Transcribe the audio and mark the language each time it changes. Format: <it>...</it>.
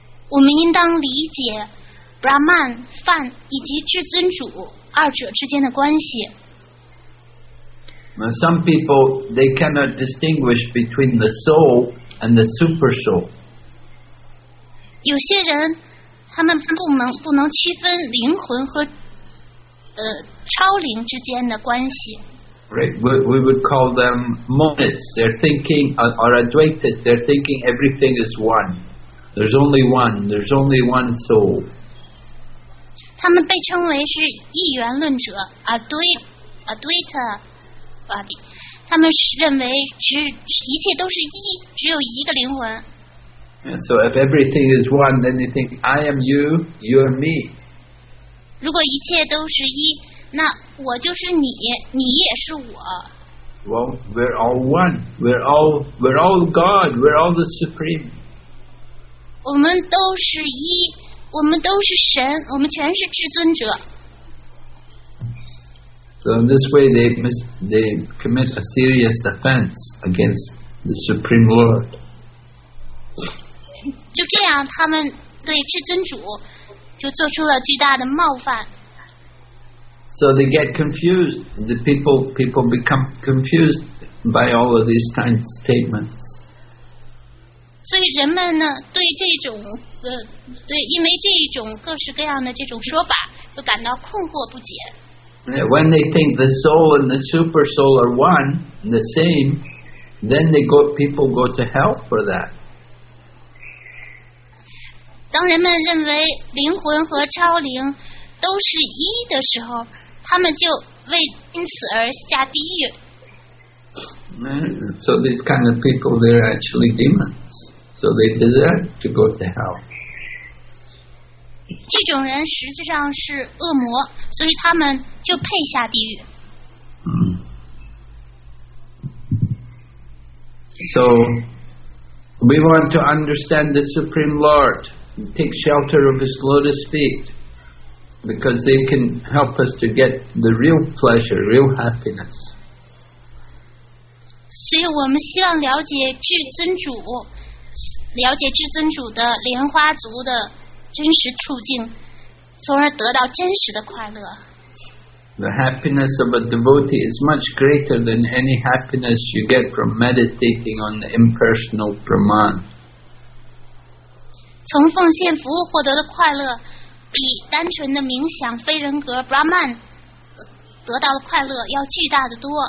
<zh>我们应当理解 Brahman 梵以及至尊主二者之间的关系。</zh> <en>Some people they cannot distinguish between the soul and the super soul.</en> <zh>有些人他们不能区分灵魂和超灵之间的关系。</zh> <en>Right, we would call them monists. They're thinking or Advaitists. They're thinking everything is one. There's only one. There's only one soul.</en> <zh>他们被称为是一元论者 ，Advaita， 他们认为一切都是一，只有一个灵魂。</zh> <en>And so if everything is one, then you think I am you, you are me.</en> <zh>如果一切都是一，那我就是你，你也是我。</zh> <en>Well, we're all one. We're all God. We're all the supreme.</en> <zh>我们都是一，我们都是神，我们全是至尊者。</zh> <en>So in this way, they commit a serious offense against the Supreme Lord.</en> <zh>就这样，他们对至尊主就做出了巨大的冒犯。</zh> <en>So they get confused. The people become confused by all of these kind of statements.</en> <zh>所以人们呢，对这种对，因为这种各式各样的这种说法，就感到困惑不解。</zh> <en>When they think the soul and the super soul are one and the same, then people go to hell for that.</en> <zh>当人们认为灵魂和超灵都是一的时候，他们就为因此而下地狱。</zh> <en>So these kind of people, they're actually demons. So they deserve to go to hell.</en> <zh>这种人实际上是恶魔，所以他们就配下地狱。</zh> <en>So we want to understand the Supreme Lord, take shelter of His lotus feet, because they can help us to get the real pleasure, real happiness.</en> <zh>所以我们希望了解至尊主。了解至尊主的莲花族的真实处境，从而得到真实的快乐。</zh> <en>The happiness of a devotee is much greater than any happiness you get from meditating on the impersonal Brahman.</en> <zh>从奉献服务获得的快乐，比单纯的冥想非人格 Brahman 得到的快乐要巨大的多。</zh>